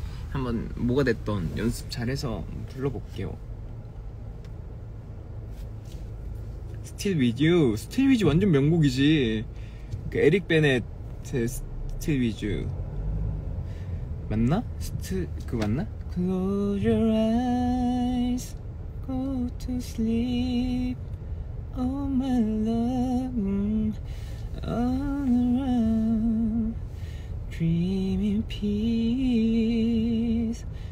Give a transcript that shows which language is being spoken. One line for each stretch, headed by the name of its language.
Korean: 한번 뭐가 됐던 연습 잘해서 불러볼게요.
English: Still With You.
Korean: Still With You 완전 명곡이지. 그 에릭 베넷의 Still With You 맞나? 그거 맞나?
English: Close your eyes, go to sleep. Oh my love, all around, dream in peace.